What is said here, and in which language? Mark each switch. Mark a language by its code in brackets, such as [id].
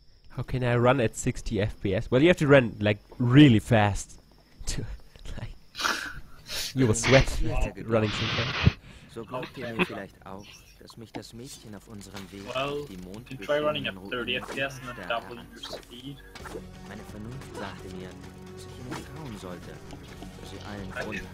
[en] How can I run at 60 FPS? Well, you have to run, like, really fast. To, like, you will sweat running so fast. [de] So, glaubt ihr mir vielleicht auch, dass mich das Mädchen auf unserem Weg die Mond berührt? [en] Well, try running at 30 FPS and then double your speed. [de] Meine Vernunft sagte mir, dass ich ihnen trauen sollte, dass sie allen Grund